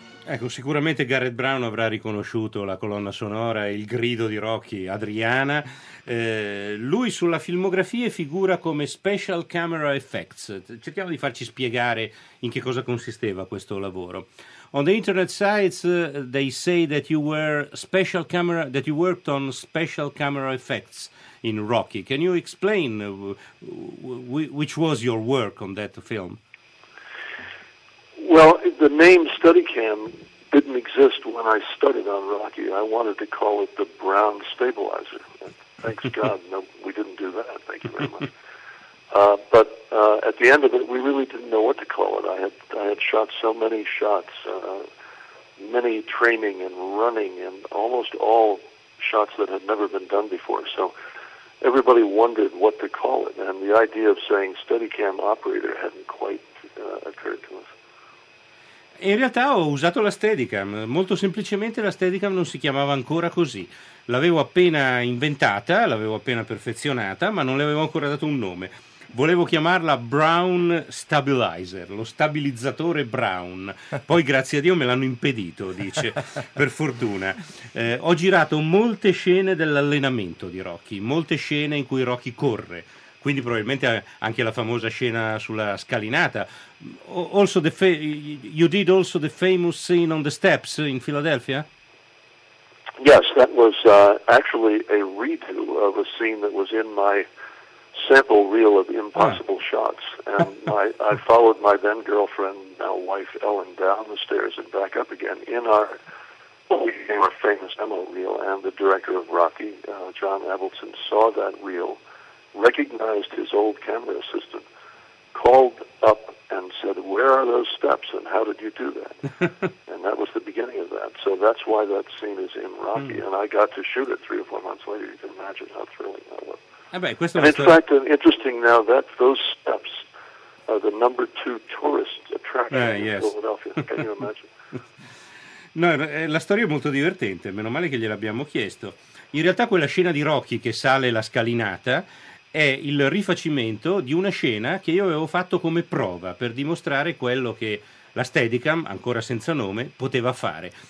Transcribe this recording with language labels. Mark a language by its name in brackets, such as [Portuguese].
[Italian] Ecco, sicuramente Garrett Brown avrà riconosciuto la colonna sonora e il grido di Rocky, Adriana. Lui sulla filmografia figura come Special Camera Effects. Cerchiamo di farci spiegare in che cosa consisteva questo lavoro. [English] On the internet sites they say that you were special camera, that you worked on special camera effects in Rocky. Can you explain which was your work on that film? Well, the name Steadicam didn't exist when I studied on Rocky. I wanted to call it the Brown Stabilizer. Thanks God, no, we didn't do that. Thank you very much. But at the end of it, we really didn't know what to call it. I had shot so many shots, many training and running, and almost all shots that had never been done before. So everybody wondered what to call it, and the idea of saying Steadicam operator hadn't quite occurred to us. [Italian] In realtà ho usato la Steadicam, molto semplicemente la Steadicam non si chiamava ancora così, l'avevo appena inventata, l'avevo appena perfezionata, ma non le avevo ancora dato un nome, volevo chiamarla Brown Stabilizer, lo stabilizzatore Brown, poi grazie a Dio me l'hanno impedito, dice, per fortuna. Ho girato molte scene dell'allenamento di Rocky, molte scene in cui Rocky corre, quindi probabilmente anche la famosa scena sulla scalinata. [English] Also the you did also the famous scene on the steps in Philadelphia? Yes, that was actually a redo of a scene that was in my sample reel of impossible shots. And I followed my then-girlfriend, now wife, Ellen, down the stairs and back up again in our Well, he became a famous demo reel, and the director of Rocky, John Avildsen, saw that reel, recognized his old camera assistant, called up and said, "Where are those steps, and how did you do that?" And that was the beginning of that. So that's why that scene is in Rocky, and I got to shoot it 3 or 4 months later. You can imagine how thrilling that was. In fact, interesting now, that those steps are the number two tourist attraction in Philadelphia. Can you imagine? [Italian] No, la storia è molto divertente, meno male che gliel'abbiamo chiesto. In realtà quella scena di Rocky che sale la scalinata è il rifacimento di una scena che io avevo fatto come prova per dimostrare quello che la Steadicam, ancora senza nome, poteva fare.